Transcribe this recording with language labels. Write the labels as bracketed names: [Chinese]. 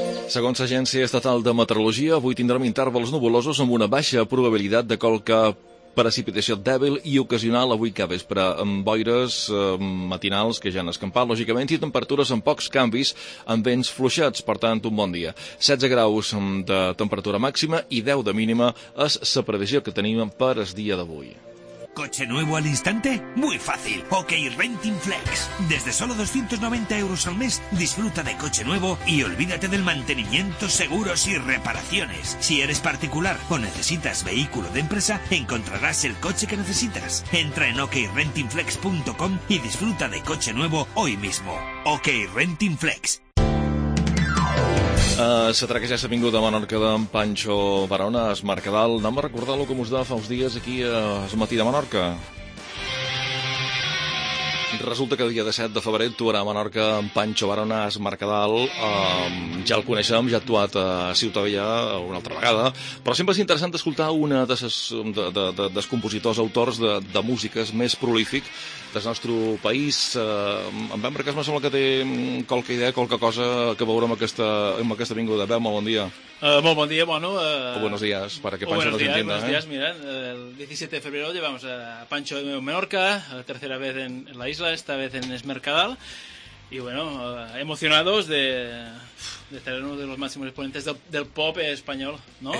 [Catalan] Segons l'Agència Estatal de Meteorologia, avui tindrem intervals nuvolosos amb una baixa probabilitat de qualque precipitació dèbil i ocasional avui cada vespre, amb boires matinals que ja han escampat, lògicament, i temperatures amb pocs canvis, amb vents fluixats, per tant, un bon dia. 16 graus de temperatura màxima i 10 de mínima és la previsió que tenim per el dia d'avui. [Spanish] ¿Coche nuevo al instante? Muy fácil. OK Renting Flex. Desde solo 290 euros al mes, disfruta de coche nuevo y olvídate del mantenimiento, seguros y reparaciones. Si eres particular o necesitas vehículo de empresa, encontrarás el coche que necesitas. Entra en okrentingflex.com y disfruta de coche nuevo hoy mismo. OK Renting Flex. [Catalan] Se traca ja s'ha vingut a Menorca d'en Pancho Barona, es Mercadal. Anem a recordar-lo com us deia fa uns dies aquí a es Matí de Menorca. Resulta que el dia 17 de febrer actuarà a Menorca en Pancho Barona, es Mercadal. Ja el coneixem, ja ha actuat a Ciutadella una altra vegada. Però sempre és interessant escoltar una de compositors autors de músiques més prolífic del nostre país. En Ben Marques, me sembla que té qualque idea, qualque cosa que veure amb aquesta vinguda. Ben, molt bon dia. Molt bon dia, bueno... [Spanish] buenos días, para que Pancho nos entienda. Buenos días, mira, el 17 de febrero llevamos a Pancho de Menorca, la tercera vez en la isla, esta vez en Es Mercadal, y bueno, emocionados de ser uno de los máximos exponentes del pop español, ¿no?